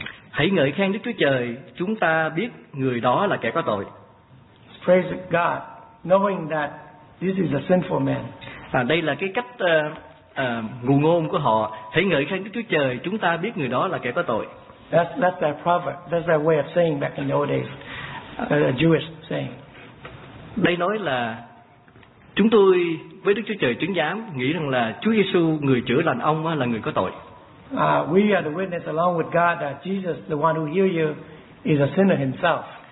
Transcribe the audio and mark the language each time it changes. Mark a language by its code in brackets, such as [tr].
[vi] Hãy ngợi khen Đức Chúa Trời, chúng ta biết người đó là kẻ có tội. [en] Praise God, knowing that this is a sinful man. [vi] À, đây là cái cách ngụ ngôn của họ. Hãy ngợi khen Đức Chúa Trời, chúng ta biết người đó là kẻ có tội. [en] That's their proverb. That's their way of saying back in the old days, a Jewish saying. [vi] Đây nói là chúng tôi với Đức Chúa Trời chứng giám nghĩ rằng là Chúa Giêsu người chữa lành ông là người có tội. [en] We are the witness along with God that Jesus, the one who healed you, is a sinner himself.